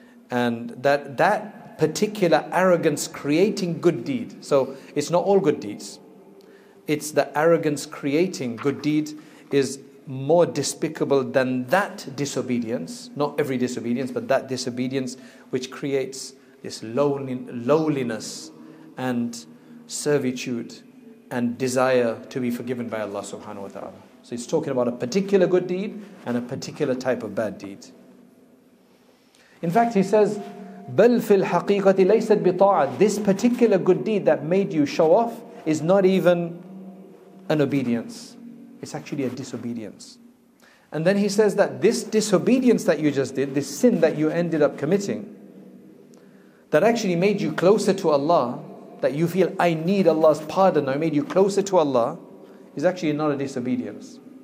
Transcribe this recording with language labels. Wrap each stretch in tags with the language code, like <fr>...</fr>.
<en>And that particular arrogance creating good deed, so it's not all good deeds, it's the arrogance creating good deed is more despicable than that disobedience, not every disobedience, but that disobedience which creates this lowliness and servitude and desire to be forgiven by Allah subhanahu wa ta'ala. So he's talking about a particular good deed and a particular type of bad deed. In fact, he says,</en> <ar>بَلْ فِي الْحَقِيقَةِ لَيْسَتْ بِطَاعَةٍ.</ar> <en>This particular good deed that made you show off is not even an obedience. It's actually a disobedience. And then he says that this disobedience that you just did, this sin that you ended up committing, that actually made you closer to Allah, that you feel, I need Allah's pardon, I made you closer to Allah, is actually not a disobedience.</en>